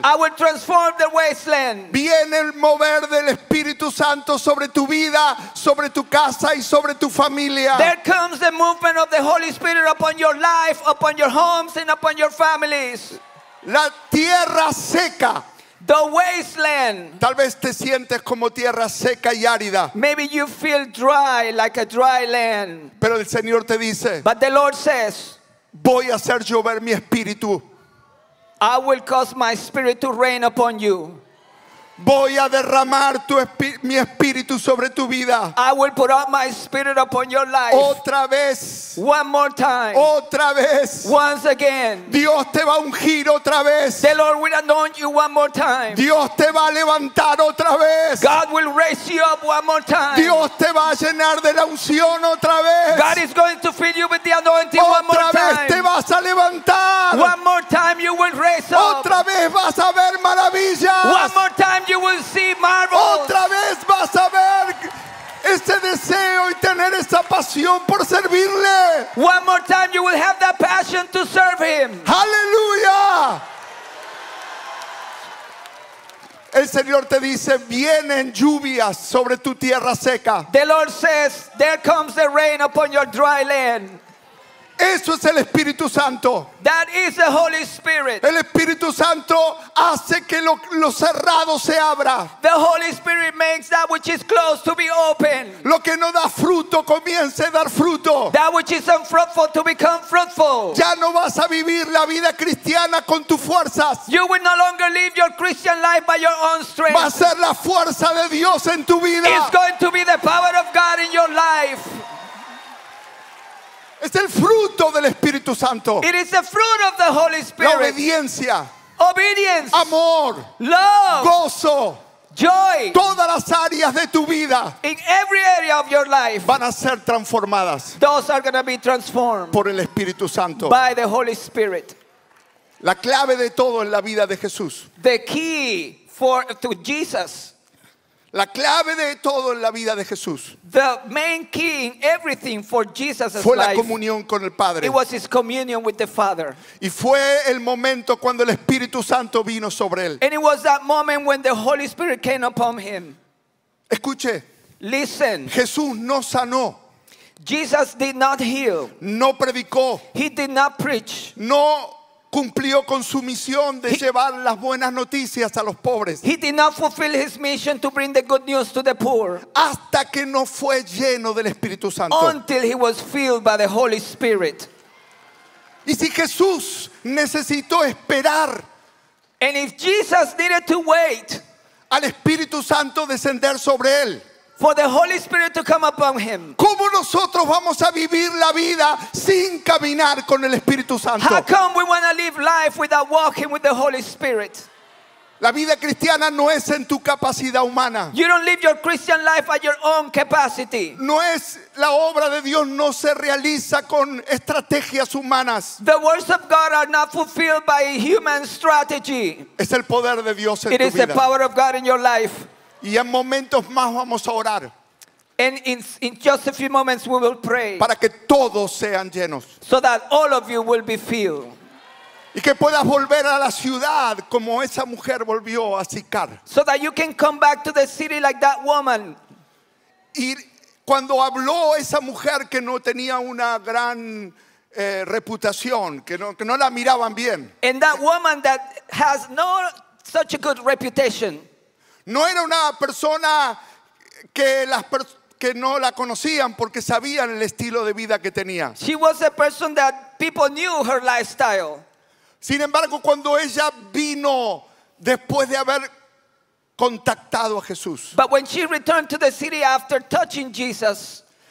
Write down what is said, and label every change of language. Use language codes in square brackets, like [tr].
[en] I will transform the wasteland. [es] Viene el mover del Espíritu Santo sobre tu vida, sobre tu casa y sobre tu familia. [en] There comes the movement of the Holy Spirit upon your life, upon your homes and upon your families. [es] La tierra seca. [en] The wasteland. [es] Tal vez te sientes como tierra seca y árida. [en] Maybe you feel dry, like a dry land. [es] Pero el Señor te dice, [en] but the Lord says, [es] voy a hacer llover mi espíritu. [en] I will cause my spirit to rain upon you. [es] Voy a derramar mi espíritu sobre tu vida. [en] I will put out my spirit upon your life. [es] Otra vez. [en] One more time. [es] Otra vez. [en] Once again. [es] Dios te va a ungir otra vez. [en] The Lord will anoint you one more time. [es] Dios te va a levantar otra vez. [en] God will raise you up one more time. [es] Dios te va a llenar de la unción otra vez. [en] God is going to fill you with the anointing [es] otra [en] one more time. [es] Otra vez te vas a levantar. [en] One more time you will raise up. [es] Otra vez vas a ver maravillas. [en] One more time you will see marvels. [es] Otra vez vas a ver ese deseo y tener esa pasión por servirle. [en] One more time you will have that passion to serve him. Hallelujah. [es] El Señor te dice, vienen lluvias sobre tu tierra seca. [en] The Lord says, there comes the rain upon your dry land. [es] Eso es el Espíritu Santo. [en] That is the Holy Spirit. [es] El Espíritu Santo hace que lo cerrado se abra. [en] The Holy Spirit makes that which is closed to be open. [es] Lo que no da fruto comience a dar fruto. [en] That which is unfruitful to become fruitful. [es] Ya no vas a vivir la vida cristiana con tus fuerzas. [en] You will no longer live your Christian life by your own strength. [es] Va a ser la fuerza de Dios en tu vida. [en] It's going to be the power of God in your life. [es] Es el fruto del Espíritu Santo. [en] It is the fruit of the Holy Spirit. [es] La obediencia. [en] Obedience. [es] Amor. [en] Love. [es] Gozo. [en] Joy. [es] Todas las áreas de tu vida. [en] In every area of your life. [es] Van a ser transformadas. [en] Those are going to be transformed. [es] Por el Espíritu Santo. [en] By the Holy Spirit. [es] La clave de todo en la vida de Jesús. [en] The key to Jesus. [es] La clave de todo en la vida de Jesús. [en] The main key in everything for Jesus' [es] fue la [en] life. [es] Comunión con el Padre. [en] It was his communion with the Father. [es] Y fue el momento cuando el Espíritu Santo vino sobre él. [en] And it was that moment when the Holy Spirit came upon him. [es] Escuche. [en] Listen. [es] Jesús no sanó. [en] Jesus did not heal. [es] No predicó. [en] He did not preach. [es] No cumplió con su misión de llevar las buenas noticias a los pobres. [en] He did not fulfill his mission to bring the good news to the poor. [es] Hasta que no fue lleno del Espíritu Santo. [en] Until he was filled by the Holy Spirit. [es] Y si Jesús necesitó esperar. [en] And if Jesus needed to wait. [es] Al Espíritu Santo descender sobre él. [en] For the Holy Spirit to come upon him. [es] ¿Cómo nosotros vamos a vivir la vida sin caminar con el Espíritu Santo? [en] How come we want to live life without walking with the Holy Spirit? [es] La vida cristiana no es en tu capacidad humana. [en] You don't live your Christian life at your own capacity. [es] No es la obra de Dios no se realiza con estrategias humanas. [en] The words of God are not fulfilled by human strategy. [es] Es el poder de Dios en tu vida. [en] It is the power of God in your life. [es] Y en momentos más vamos a orar. [en] And in just a few moments we will pray. [es] Para que todos sean llenos. [en] So that all of you will be filled. [es] Y que puedas volver a la ciudad como esa mujer volvió a Sicar. [en] So that you can come back to the city like that woman. [es] Y cuando habló esa mujer que no tenía una gran reputación, que no la miraban bien. [en] And that woman that has not such a good reputation. [es] No era una persona que no la conocían porque sabían el estilo de vida que tenía. [en] She was a person that people knew her lifestyle. [es] Sin embargo, cuando ella vino después de haber contactado a Jesús. [en] But when she returned to the city after touching Jesus.